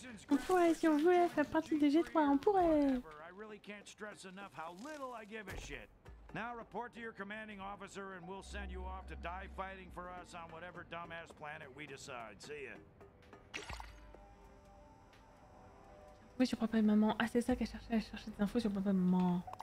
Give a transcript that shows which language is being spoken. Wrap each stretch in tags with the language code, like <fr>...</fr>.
<fr>On pourrait, si on voulait faire partie des G3, on pourrait.</fr> <en>I really can't stress enough how little I give a shit. Now report to your commanding officer and we'll send you off to die fighting for us on whatever dumbass planet we decide. See ya.</en> <fr>Oui, sur papa et maman. Ah, c'est ça qu'elle cherchait. Elle cherchait des infos sur papa et maman.</fr>